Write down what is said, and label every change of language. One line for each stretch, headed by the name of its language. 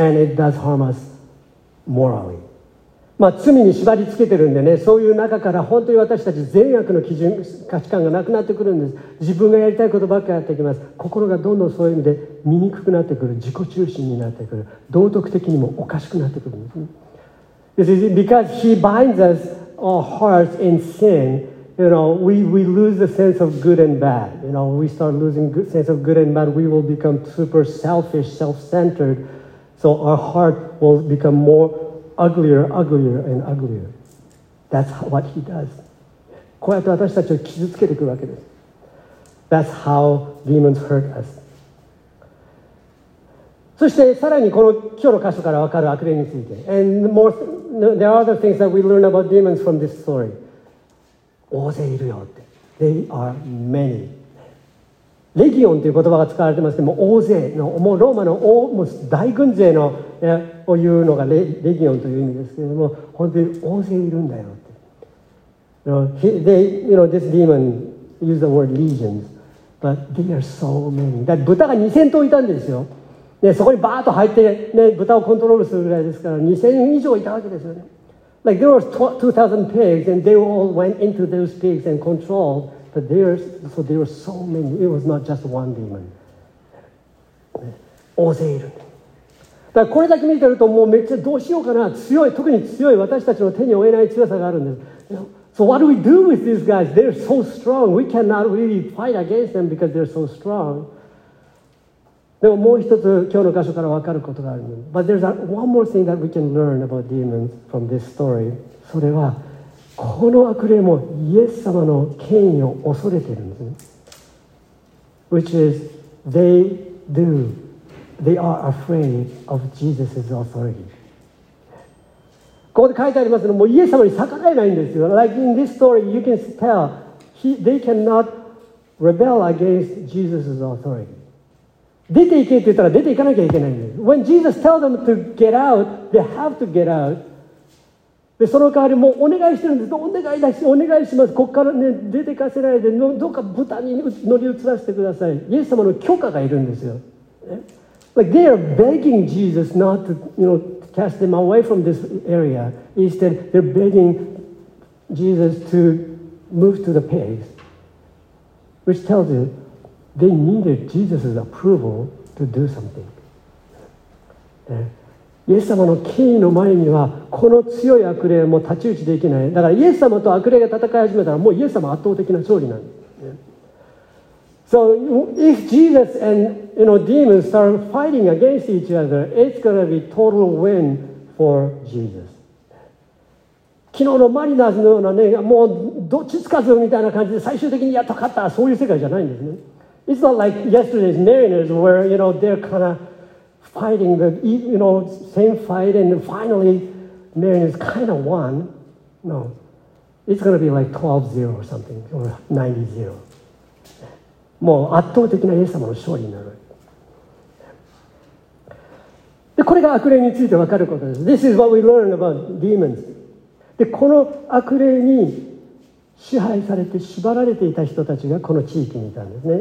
English: And it does harm us morally.
Japanese: まあ罪に縛りつけてるんでね、そういう中から本当に私たち善悪の基準、価値観がなくなってくるんです。自分がやりたいことばっかりやってきます。心がどんどんそういう意味で醜くなってくる、自己中心になってくる、道徳的にもおかしくなってくるんですね。
English: This is because he binds us, our hearts, in sin. You know, we lose the sense of good and bad. You know, we start losing good sense of good and bad. We will become super selfish, self-centered. So our heart will become more uglier, uglier, and uglier. That's what he does.
Japanese: こうやって私たちを傷つけてくるわけです。
English: That's how demons hurt us.
Japanese: そしてさらにこの今日の箇所から分かる悪霊について、
English: And more, there are other things that we learn about demons from this story.
Japanese: 大勢いるよって。
English: They are many.
Japanese: レギオンという言葉が使われてますけども、大勢の、もうローマの大、もう大軍勢の、ね、を言うのが レギオンという意味ですけども、本当に大勢いるんだよって。
English: You know, they, you know, this demon used the word legions, but they are so many.
Japanese: だから豚が2000頭いたんですよ。ね、そこにバーッと入って、ね、豚をコントロールするぐらいですから、2000人以上いたわけですよね。
English: Like there were 2,000 pigs and they all went into those pigs and controlled, but there were so many. It was not just one demon.、
Japanese: ね、大勢いる。だからこれだけ見てるともうめっちゃどうしようかな。強い、特に強い、私たちの手に負えない強さがあるんです。
English: You know? So what do we do with these guys? They're so strong. We cannot really fight against them because they're so strong.
Japanese: でももう一つ今日の箇所から分かることがあるの。
English: But there's one more thing that we can learn about demons from this story.
Japanese: それは、この悪霊もイエス様の権威を恐れているんですね。
English: Which is, they are afraid of Jesus' authority.
Japanese: ここで書いてありますのもうイエス様に逆らえないんですよ。
English: Like in this story, you can tell, they cannot rebel against Jesus' authority.
Japanese: 出て行けって言ったら出て行かなきゃいけないんです。
English: When Jesus tells them to get out, they have to get out.
Japanese: で、その代わりもうお願いしてるんです。お願いします。こっから、ね、出て行かせないで、どうか豚に乗り移らせてください。イエス様の許可がいるんですよ。
English: Like they are begging Jesus not to, you know, to cast them away from this area. Instead, they're begging Jesus to move to the pigs. Which tells you,They needed Jesus' approval to do something.
Japanese: イエス様の権威の前にはこの強い悪霊も太刀打ちできない。だからイエス様と悪霊が戦い始めたらもうイエス様圧倒的な勝利なんです。
English: So if Jesus and you know, demons start fighting against each other, it's going to be total win for Jesus.
Japanese: 昨日のマリナーズのようなね、もうどっちつかずみたいな感じで最終的にやっと勝った、そういう世界じゃないんですね。
English: It's not like yesterday's Mariners where, you know, they're kind of fighting the, you know, same fight and finally Mariners kind of won. No. It's going to be like 12-0 or something, or 90-0.
Japanese: もう圧倒的なイエス様の勝利になる。で、これが悪霊について分かることです。
English: This is what we learn about demons.
Japanese: で、この悪霊に支配されて縛られていた人たちがこの地域にいたんですね。